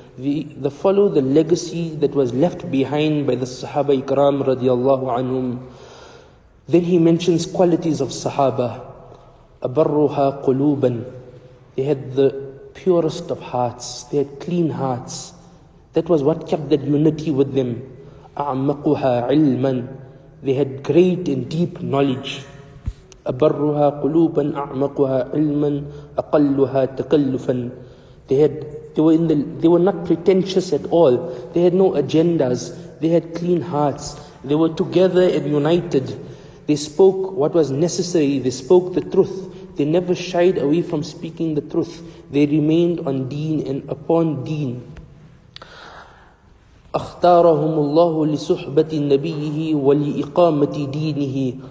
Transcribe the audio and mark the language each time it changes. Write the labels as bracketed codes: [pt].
[en] The follow the legacy that was left behind by the sahaba ikram radiallahu anhum. Then he mentions qualities of sahaba. Abarruha quluban. They had the purest of hearts, they had clean hearts. That was what kept that unity with them. A'ammaquha ilman. They had great and deep knowledge. [ar] أبرها قلوبا أعمقها علما أقلها تكلفا. [en] They were not pretentious at all. They had no agendas. They had clean hearts. They were together and united. They spoke what was necessary. They spoke the truth. They never shied away from speaking the truth. They remained on deen and upon deen. [ar] أختارهم الله لصحبة نبيه ولإقامة دينه.